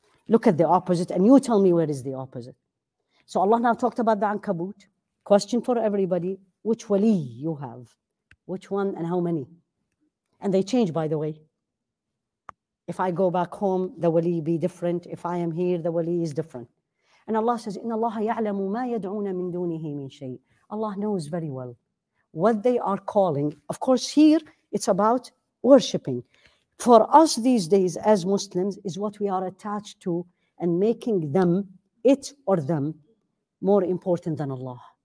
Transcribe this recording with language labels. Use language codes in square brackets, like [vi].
[en] Look at the opposite and you tell me where is the opposite. So Allah now talked about the Ankabut. Question for everybody, which wali you have? Which one and how many? And they change, by the way. If I go back home, the wali be different. If I am here, the wali is different. And Allah says, [ar] إِنَّ اللَّهَ يَعْلَمُ مَا يَدْعُونَ مِن دُونِهِ مِن شَيْءٍ. [en] Allah knows very well what they are calling. Of course, here, it's about worshipping. For us these days as Muslims is what we are attached to and making them, it or them, more important than Allah.